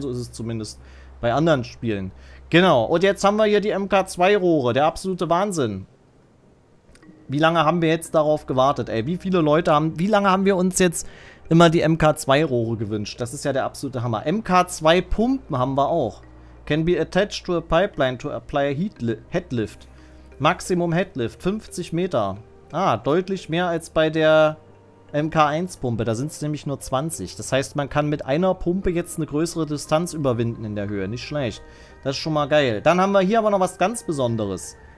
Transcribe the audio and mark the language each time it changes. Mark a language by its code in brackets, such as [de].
[de] So ist es zumindest bei anderen Spielen. Genau, und jetzt haben wir hier die MK2-Rohre, der absolute Wahnsinn. Wie lange haben wir jetzt darauf gewartet, ey? Wie viele Leute haben, wie lange haben wir uns jetzt immer die MK2-Rohre gewünscht? Das ist ja der absolute Hammer. MK2-Pumpen haben wir auch. [en] Can be attached to a pipeline to apply a headlift. Maximum headlift, [de] 50 Meter. Ah, deutlich mehr als bei der MK1-Pumpe. Da sind es nämlich nur 20. Das heißt, man kann mit einer Pumpe jetzt eine größere Distanz überwinden in der Höhe. Nicht schlecht. Das ist schon mal geil. Dann haben wir hier aber noch was ganz Besonderes.